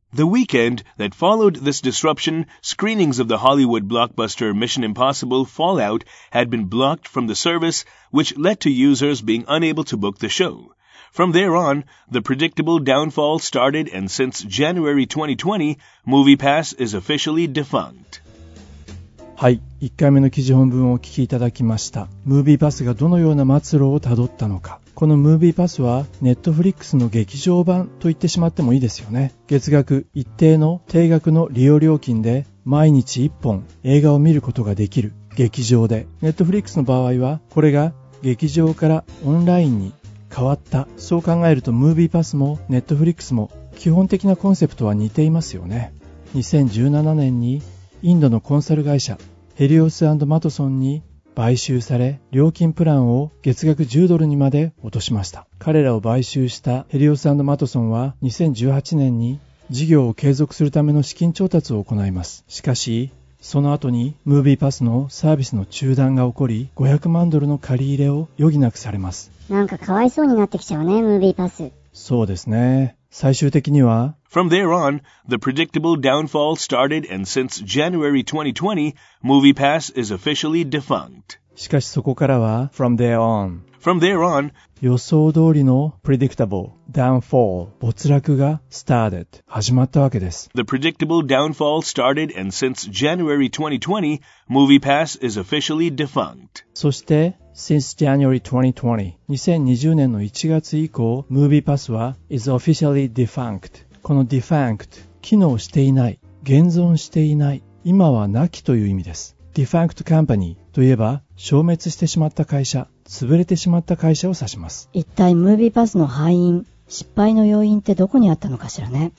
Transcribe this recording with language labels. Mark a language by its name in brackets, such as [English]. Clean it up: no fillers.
[English] The weekend that followed this disruption, screenings of the Hollywood blockbuster Mission Impossible Fallout had been blocked from the service, which led to users being unable to book the show. From there on, the predictable downfall started, and since January 2020, MoviePass is officially defunct. [Japanese] はい、1回目の記事本文をお聞きいただきました。MoviePass がどのような末路をたどったのか。このムービーパスはネットフリックスの劇場版と言ってしまってもいいですよね。月額一定の定額の利用料金で毎日1本映画を見ることができる劇場で、ネットフリックスの場合はこれが劇場からオンラインに変わった。そう考えるとムービーパスもネットフリックスも基本的なコンセプトは似ていますよね。 2017年にインドのコンサル会社ヘリオス&マトソンに買収され、料金プランを月額10ドルにまで落としました。彼らを買収したヘリオス&マトソンは2018年に事業を継続するための資金調達を行います。しかしその後にムービーパスのサービスの中断が起こり、500万ドルの借り入れを余儀なくされます。なんかかわいそうになってきちゃうね、ムービーパス。そうですね。最終的には [English] From there on, the predictable downfall started, and since January 2020, MoviePass is officially defunct. [Japanese] しかしそこからは [English] From there on, [Japanese] 予想通りの [English] predictable downfall [Japanese] 没落が [English] started [Japanese] 始まったわけです。 [English] The predictable downfall started, and since January 2020, MoviePass is officially defunct. [Japanese] そして [English] Since January 2020, [Japanese] 2020年の1月以降、MoviePass は [English] is officially defunct。 [Japanese] この defunct、機能していない、現存していない、今は無きという意味です。 defunct company といえば、消滅してしまった会社、潰れてしまった会社を指します。一体ムービーパスの敗因、失敗の要因ってどこにあったのかしらね。